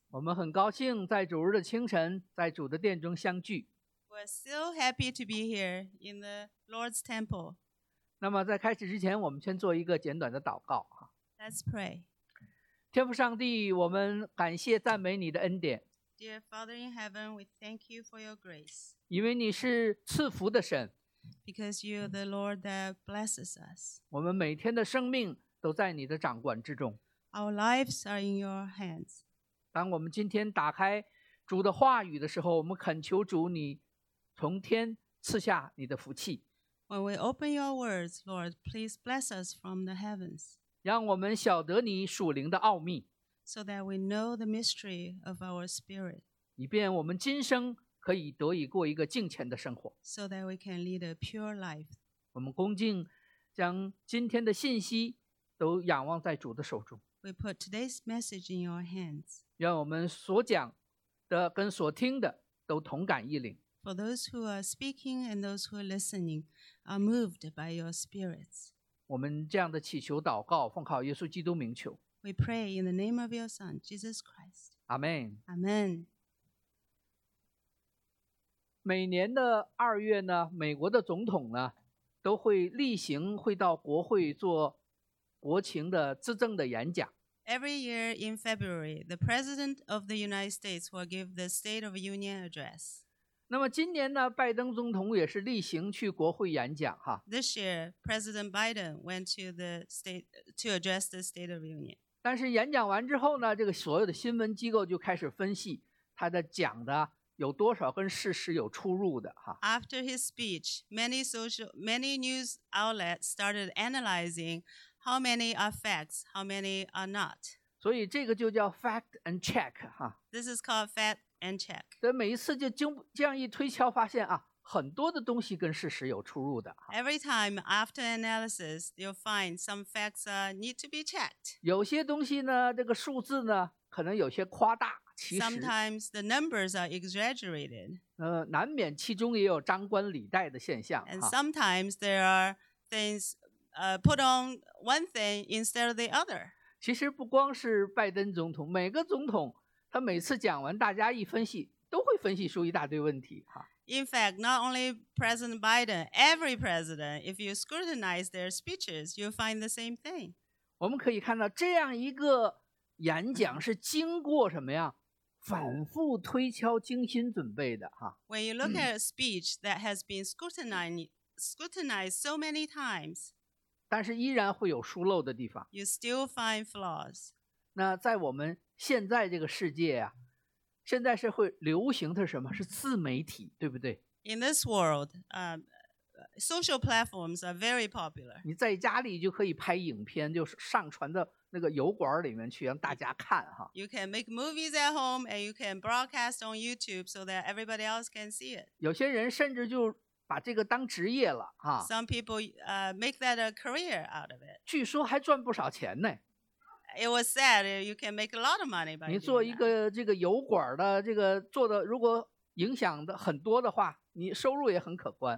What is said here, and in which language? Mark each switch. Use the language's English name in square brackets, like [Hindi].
[Chinese] 我们很高兴在主日的清晨在主的殿中相聚。 [English] We're still happy to be here in the Lord's temple. [Chinese] 那么在开始之前我们先做一个简短的祷告。 [English] Let's pray. [Chinese] 天父上帝，我们感谢赞美你的恩典。 [English] Dear Father in heaven, we thank you for your grace. [Chinese] 因为你是赐福的神。 [English] Because you are the Lord that blesses us. [Chinese] 我们每天的生命都在你的掌管之中。 [English] Our lives are in your hands. [Chinese] 当我们今天打开主的话语的时候，我们恳求主你从天赐下你的福气。 [English] When we open your words, Lord, please bless us from the heavens. [Chinese] 让我们晓得你属灵的奥秘。 [English] So that we know the mystery of our spirit. [Chinese] 以便我们今生可以得以过一个敬虔的生活。 [English] So that we can lead a pure life. [Chinese] 我们恭敬将今天的信息都仰望在主的手中。 [English] We put today's message in your hands. [Chinese] 让我们所讲的跟所听的都同感一灵。 [English] For those who are speaking and those who are listening are moved by your spirits. [Chinese] 我们这样的祈求祷告奉靠耶稣基督名求。 [English] We pray in the name of your son, Jesus Christ. Amen. Amen. [Chinese] 每年的二月呢，美国的总统呢，都会例行会到国会做国情的资政的演讲。 [English] Every year in February, the President of the United States will give the State of Union address. [Chinese] 那么今年呢，拜登总统也是例行去国会演讲哈。 [English] This year, President Biden went to the state to address the State of Union. [Chinese] 但是演讲完之后呢，这个所有的新闻机构就开始分析他的讲的有多少跟事实有出入的哈。 [English] After his speech, many news outlets started analyzing. How many are facts? How many are not? [Chinese] 所以这个就叫 [English] fact and check, [Chinese] 哈。 [English] This is called fact and check. [Chinese] 所以每一次就这样一推敲发现啊，很多的东西跟事实有出入的。 [English] Every time after analysis, you'll find some facts need to be checked. [Chinese] 有些东西呢，这个数字呢，可能有些夸大，其实。 [English] Sometimes the numbers are exaggerated. [Chinese] 难免其中也有张冠李戴的现象。 [English] And sometimes there are things,put on one thing instead of the other. [Chinese] 其实不光是拜登总统，每个总统他每次讲完，大家一分析，都会分析出一大堆问题。 [English] In fact, not only President Biden, every president, if you scrutinize their speeches, you'll find the same thing. [Chinese] 我们可以看到这样一个演讲是经过什么呀？反复推敲、精心准备的。 [English] When you look at a speech that has been scrutinized so many times, [Chinese] 但是依然会有疏漏的地方。 [English] You still find flaws. [Chinese] 那在我们现在这个世界啊，现在社会流行的是什么？是自媒体，对不对？ [English] In this world, social platforms are very popular. [Chinese] 你在家里就可以拍影片，就上传到那个油管里面去，让大家看哈。 [English] You can make movies at home and you can broadcast on YouTube so that everybody else can see it. [Chinese] 有些人甚至就把这个当职业了。 [English] Some people make that a career out of it. [Chinese] 据说还赚不少钱呢。 [English] It was said you can make a lot of money by [Chinese] 你做一个这个油管的这个做的，如果影响的很多的话，你收入也很可观。